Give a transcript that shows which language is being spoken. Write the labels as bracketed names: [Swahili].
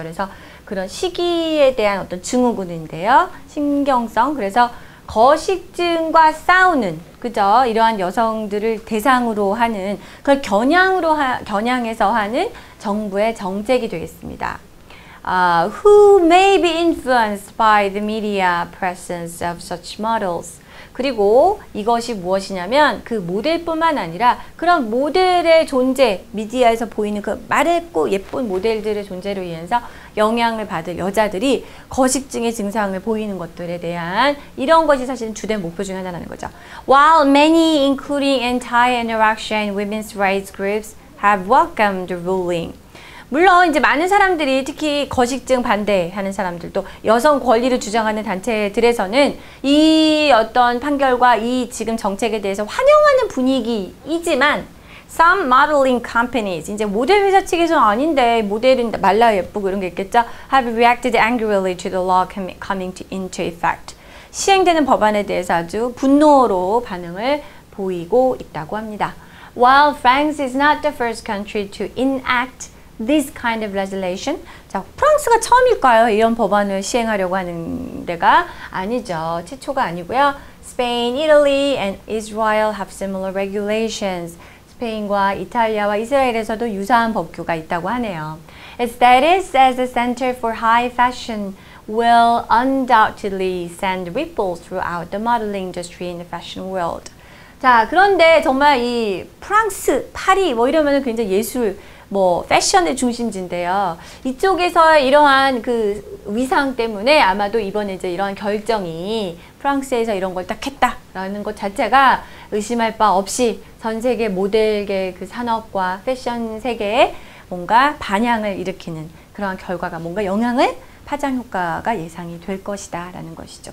[Korean] 그래서 그런 식이에 대한 어떤 증후군인데요. 신경성. 그래서 거식증과 싸우는, 그죠? 이러한 여성들을 대상으로 하는, 그걸 겨냥해서 하는 정부의 정책이 되겠습니다. [English] Who may be influenced by the media presence of such models? [Korean] 그리고 이것이 무엇이냐면 그 모델뿐만 아니라 그런 모델의 존재, 미디어에서 보이는 그 마르고 예쁜 모델들의 존재로 인해서 영향을 받을 여자들이 거식증의 증상을 보이는 것들에 대한 이런 것이 사실은 주된 목표 중 하나라는 거죠. [English] While many, including anti-anorexia and women's rights groups, have welcomed the ruling. [Korean] 물론 이제 많은 사람들이 특히 거식증 반대하는 사람들도 여성 권리를 주장하는 단체들에서는 이 어떤 판결과 이 지금 정책에 대해서 환영하는 분위기이지만 [English] some modeling companies [Korean] 이제 모델 회사 측에서는 아닌데 모델은 말라 예쁘고 이런 게 있겠죠 [English] have reacted angrily to the law coming into effect [Korean] 시행되는 법안에 대해서 아주 분노로 반응을 보이고 있다고 합니다. [English] While France is not the first country to enact this kind of legislation. [Korean] 자, 프랑스가 처음일까요? 이런 법안을 시행하려고 하는 데가 아니죠. 최초가 아니고요. [English] Spain, Italy, and Israel have similar regulations. [Korean] 스페인과 이탈리아와 이스라엘에서도 유사한 법규가 있다고 하네요. [English] Its status as a center for high fashion will undoubtedly send ripples throughout the modeling industry in the fashion world. [Korean] 자, 그런데 정말 이 프랑스, 파리 뭐 이러면은 굉장히 예술 뭐 패션의 중심지인데요. 이쪽에서 이러한 그 위상 때문에 아마도 이번에 이제 이러한 결정이 프랑스에서 이런 걸 딱 했다라는 것 자체가 의심할 바 없이 전 세계 모델계 그 산업과 패션 세계에 뭔가 반향을 일으키는 그러한 결과가 뭔가 영향을 파장 효과가 예상이 될 것이다라는 것이죠.